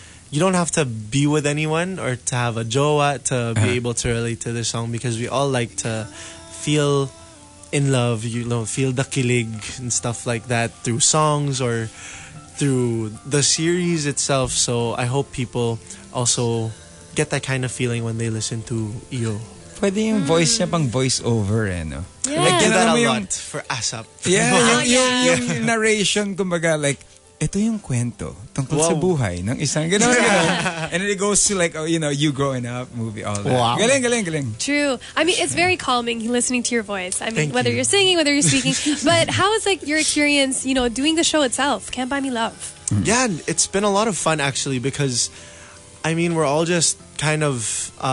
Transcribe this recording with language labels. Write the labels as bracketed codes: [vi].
[en] You don't have to be with anyone or to have a jowa to be able to relate to this song, because we all like to feel in love, you know, feel the kilig and stuff like that through songs or through the series itself. So I hope people also get that kind of feeling when they listen to EO. [tl] Pwede yung voice niya pang voiceover, eh, no? [en] Yeah. I get that a lot for ASAP. [tl] Yeah, yung narration, kumbaga, like, ito yung kwento tungkol sa buhay ng isang ganun. [en] And then it goes to like, you know, you growing up, movie, all that. Wow. [tl] Galing. [en] True. I mean, it's very calming listening to your voice. I mean, Thank you. You're singing, whether you're speaking. But how is like your experience, you know, doing the show itself, Can't Buy Me Love? Yeah, it's been a lot of fun actually, because, I mean, we're all just kind of,